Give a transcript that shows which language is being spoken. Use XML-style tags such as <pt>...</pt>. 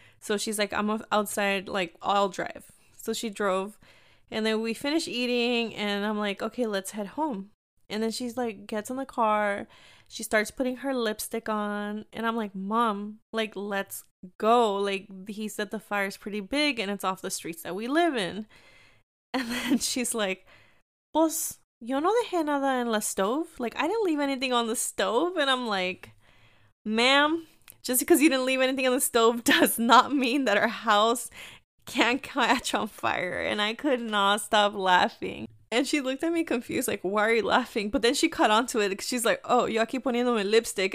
<en>So she's like, I'm outside, like, I'll drive. So she drove, and then we finish eating, and I'm like, okay, let's head home. And then she's like, gets in the car, she starts putting her lipstick on, and I'm like, mom, like, let's go. Like, he said the fire's pretty big, and it's off the streets that we live in. And then she's like,</en> <es>pues, yo no dejé nada en la</es> <en>stove. Like, I didn't leave anything on the stove. And I'm like, ma'am, just because you didn't leave anything on the stove does not mean that our house can't catch on fire. And I could not stop laughing. And she looked at me confused, like, why are you laughing? But then she caught on to it, because she's like, oh,</en> <es>yo aquí poniendo mi</es> <en>lipstick.</en>